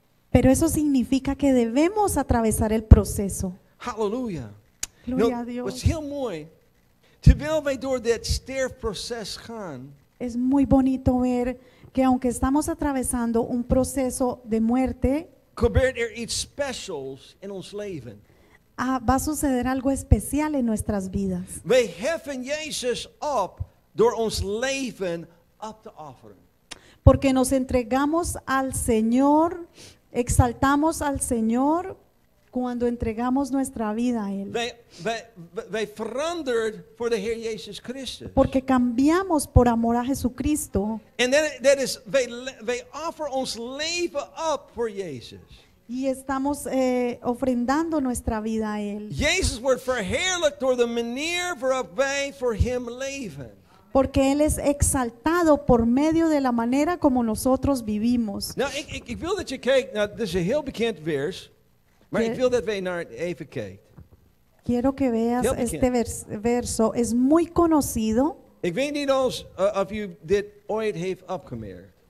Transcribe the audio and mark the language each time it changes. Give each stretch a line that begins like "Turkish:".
Spanish: Pero eso significa que debemos atravesar el proceso. Aleluya. Gloria a Dios.
Dutch: Het is heel mooi. Terwijl wij door dat sterfproces gaan.
Spanish: Es muy bonito ver que aunque estamos atravesando un proceso de muerte,
Dutch: gebeurt er iets speciaals in ons leven.
Spanish: Va a suceder algo especial en nuestras vidas.
Dutch: Wij heffen Jezus op door ons leven op te offeren.
Spanish: Porque nos entregamos al Señor, exaltamos al Señor. Cuando entregamos nuestra vida a Él.
Dutch: Wij veranderen voor de Heer Jezus Christus.
Spanish: Porque cambiamos por amor a Jesucristo.
Dutch: En dat is, wij offeren ons leven op voor Jezus.
Spanish: Y estamos ofrendando nuestra vida a Él.
Dutch: Jezus wordt verheerlijkt door de manier waarop wij voor Hem leven.
Spanish: Porque Él es exaltado por medio de la manera como nosotros vivimos.
Dutch: Nou, ik wil dat je kijkt, nou, dit is een heel bekend vers. Maar ik wil dat wij naar het even kijken.
Spanish: Quiero que veas este verso. Es muy conocido.
Dutch: Ik weet niet of u dit ooit heeft opgemerkt.